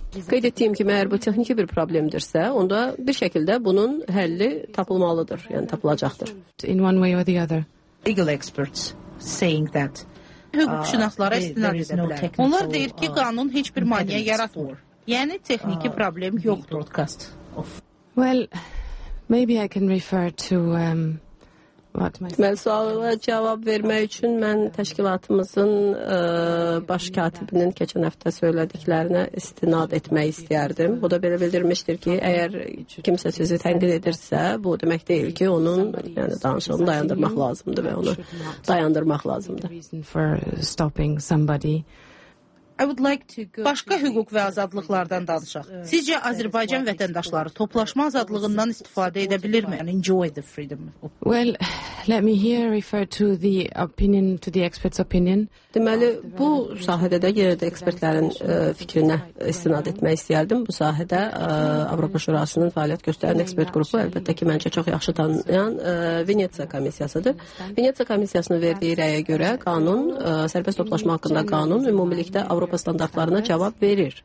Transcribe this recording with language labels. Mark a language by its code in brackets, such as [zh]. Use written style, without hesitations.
[az] Qeyd etdiyim kimi, əgər bu texniki bir problemdirsə, onda bir şəkildə bunun həlli tapılmalıdır, yəni tapılacaqdır. [en] In one way or the other. Legal experts saying that [az] hüquqşünaslara istinad edirlər. Onlar deyir ki, qanun heç bir maneə yaratmır. Yəni texniki problem yoxdur. [en] Well, maybe I can refer to [az] Mən suala cavab vermək üçün mən təşkilatımızın baş katibinin keçən həftə söylədiklərinə istinad etmək istəyərdim. O da belə bildirmişdir ki, əgər kimsə sözü tənqid edirsə, bu demək deyil ki, onun yəni, danışığını dayandırmaq lazımdır və onu dayandırmaq lazımdır. [en] I would like to go [az] Başqa hüquq və azadlıqlardan danışaq. Sizcə Azərbaycan vətəndaşları toplaşma azadlığından istifadə edə bilərmi? [en] Enjoy the freedom. Well, let me here refer to the opinion to the expert's opinion. [az] Deməli, bu sahədə də yenə də ekspertlərin fikrinə istinad etmək istəyərdim. Bu sahədə Avropa Şurasının fəaliyyət göstərən ekspert qrupu, əlbəttə ki, məncə çox yaxşı tanıyan Venetsiya komissiyasıdır. Venetsiya komissiyasının verdiyi rəyə görə qanun sərbəst toplaşma haqqında qanun ümumilikdə Avropa standartlarına cavab verir.